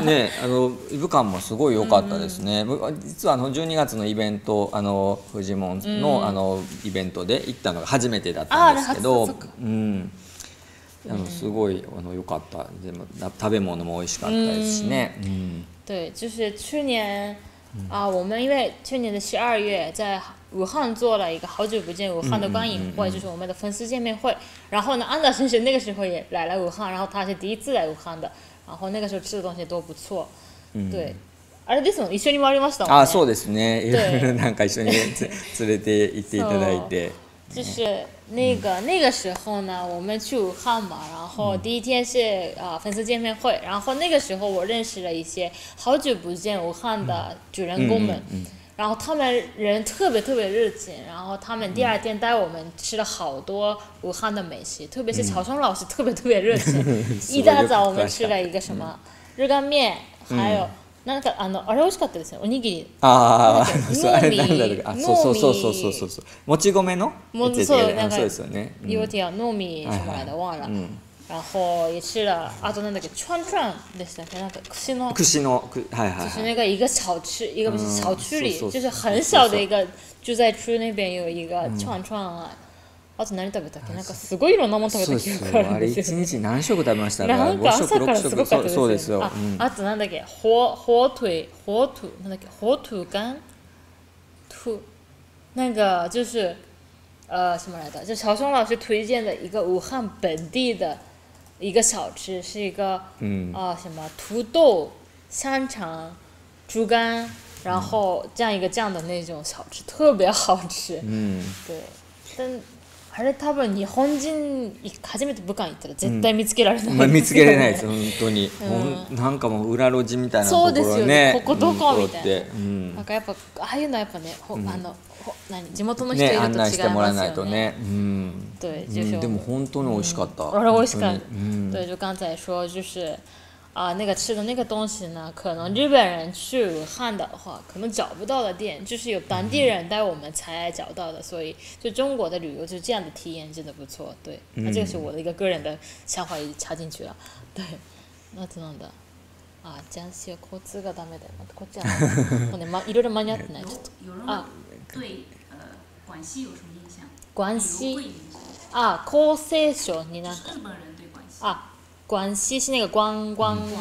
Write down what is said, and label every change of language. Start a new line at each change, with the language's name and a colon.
Japanese: ね、あの武漢もすごい良かったですね。実はあの12月のイベント、あのフジモンのあのイベントで行ったのが初めてだったんですけど、あのすごい良かった。でも食べ物も美味しかったですしね。
Chinese: 对，就是去年啊，我们因为去年的十二月在武汉做了一个好久不见武汉的观影会，就是我们的粉丝见面会。然后呢，安达先生那个时候也来了武汉，然后他是第一次来武汉的。然后那个时候吃的东西都不错。
Japanese: 对，あれですもん、一緒に回りましたもんね。あ、そうですね。
Chinese: 对，
Japanese: なんか一緒に連れて行っていただいて。
Chinese: 就是那个时候呢，我们去武汉嘛，然后第一天是粉丝见面会，然后那个时候我认识了一些好久不见武汉的主人公们，然后他们人特别特别热情，然后他们第二天带我们吃了好多武汉的美食，特别是潮汕老师特别特别热情，一大早我们吃了一个什么日干面，还有。
Japanese: なんかあのあれ美味しかったですね、おにぎり。ああ、そう、あれなんだろう。あ、そうそうそうそうそうそうそう。もち米の。もち米、そうですよね。
Chinese: イワティア、糯米什么来的忘了。然后也吃了、
Japanese: あとなんだっけ、串串でしたっけ、なんか串の。串の、はいはいはい。
Chinese: 串那个一个小吃、一个不是小区里、就是很小的一个、就在区那边有一个串串啊。
Japanese: あと何食べたっけ、なんかすごいいろんなもん食べた記憶があるんですよ。そうそう、あれ1日何食食べましたか。なんか朝からすごかったですよ、ね、そうですよ。あとなんだっけ、火腿なんだっけ、
Chinese: 火腿干土、なんか就是什么来的、就潮汕老师推荐的一个武汉本地的一个小吃，是一个什么土豆香肠猪肝，然后酱一个酱的那种小吃，特别好吃。
Japanese: 对，但あれ多分日本人初めて武漢行ったら絶対見つけられない、ね、まあ、見つけられないです本当に、なんかもう裏路地みたいなところ、ね、そうですよね、ここどこ、みたいな、なんかやっぱああいうのはやっぱね、あの何、地元の人いると違いますよ ね、 案内してもらわないとね、
Chinese: 对、
Japanese: でも本当に美味しかった、あれ美味しかった、
Chinese: 对、就刚才说就是那个吃的那个东西呢，可能日本人去武汉的话，可能找不到的店，就是有当地人带我们才找到的，所以就中国的旅游就这样的体验真的不错。对，那这个是我的一个个人的想法，也插进去了。对，那怎么的？啊，江西的交通
Japanese: がダメだよ。またこっちは、もうね、ま、いろいろ間に合ってない。ちょっと。
Chinese: あ、对、广西有什么印象？
Japanese: 广西。啊，江西省になんか。
Chinese: 日本人对广西。啊。广西是那个关关